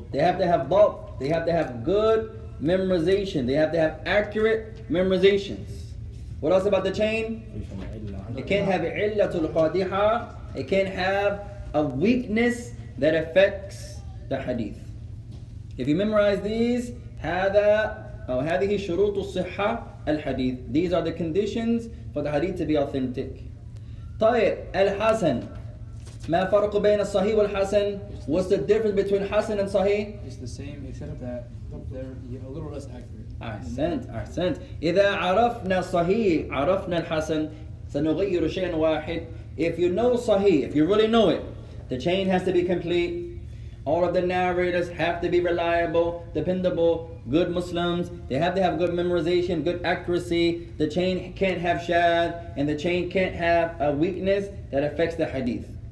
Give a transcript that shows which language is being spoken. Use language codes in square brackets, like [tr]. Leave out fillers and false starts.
[en] They have to have dhabt. They have to have good memorization. They have to have accurate memorizations. What else about the chain? It can't have illatul qadiha. It can't have a weakness that affects the hadith. If you memorize these, هذه شروط الصحة الحديث. These are the conditions for the hadith to be authentic. [ar] طيب الحسن ما فرق بين الصحيح والحسن. [en] What's the difference between Hasan and Sahih? It's the same except that they're a little less accurate. [ar] أحسنت. إذا عرفنا الصحيح عرفنا الحسن سنغير شيء واحد. [en] If you know Sahih, if you really know it, the chain has to be complete. All of the narrators have to be reliable, dependable, good Muslims. They have to have good memorization, good accuracy. The chain can't have shadh, and the chain can't have a weakness that affects the hadith.